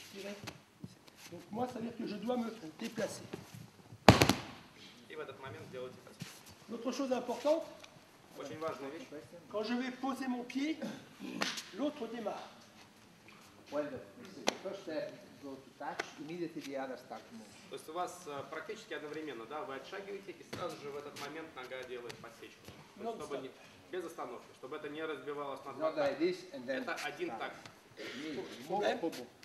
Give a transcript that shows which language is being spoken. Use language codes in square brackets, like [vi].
[ru] И в этот момент делать это. [fr] L'autre chose importante. [ru] Очень важная вещь. [fr] Quand je vais poser mon pied, l'autre démarre. [ru] То есть у вас практически одновременно, да, вы отшагиваете и сразу же в этот момент нога делает подсечку. Чтобы не, без остановки, чтобы это не разбивалось на два такта. Это один такт.